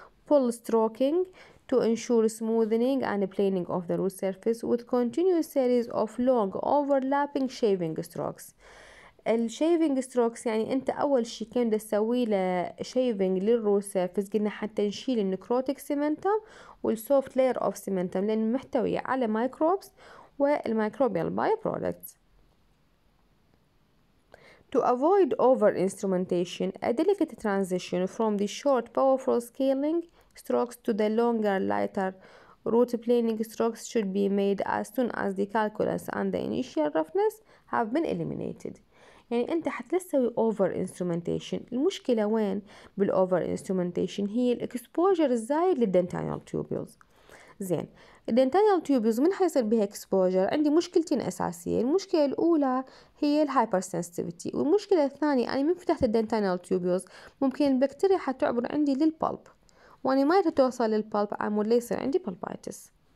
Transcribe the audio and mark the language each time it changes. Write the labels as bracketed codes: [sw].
[en] Pull stroking to ensure smoothening and planing of the root surface with continuous series of long overlapping shaving strokes. [ar] الشيفينج ستروكس يعني انت اول شيء كان تسوي له شيفينج للروت سيرفيس، قلنا حتى نشيل النكروتيك سيمنتم والسوفت لاير اوف سيمنتم لان محتويه على مايكروبس والمايكروبيال باي برودكتس. [en] To avoid over instrumentation, a delicate transition from the short powerful scaling strokes to the longer lighter root planing strokes should be made as soon as the calculus and the initial roughness have been eliminated. [ar] يعني انت حتلسوي over instrumentation، المشكلة وين بالover instrumentation؟ هي الاكسبوجر الزايد للدنتانيال تيوبيلز. زين الدنتانيال تيوبيلز من حيصير بها اكسبوجر عندي مشكلتين اساسية، المشكلة الاولى هي الهايبر سنسيتيفيتي، والمشكلة الثانية انا من فتحت الدنتانيال تيوبيلز ممكن البكتيريا حتعبر عندي للبلب، واني ما توصل للبلب عمود ليصير عندي بلبايتس.